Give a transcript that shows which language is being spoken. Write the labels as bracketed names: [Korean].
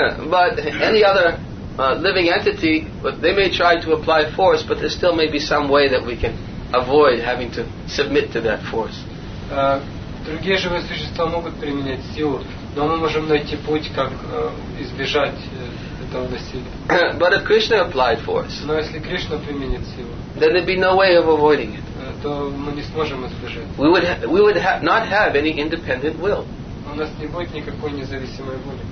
[English] But any other living entity, they may try to apply force, but there still may be some way that we can avoid having to submit to that force. [Russian] Другие живые существа могут применять силу, но мы можем найти путь, как избежать этого насилия. [English] But if Krishna applied force, [Russian] но если Кришна применит силу, [English] then there'd be no way of avoiding it. [Russian] То мы не сможем избежать. [English] We would not have any independent will. [Russian] У нас не будет никакой независимой воли.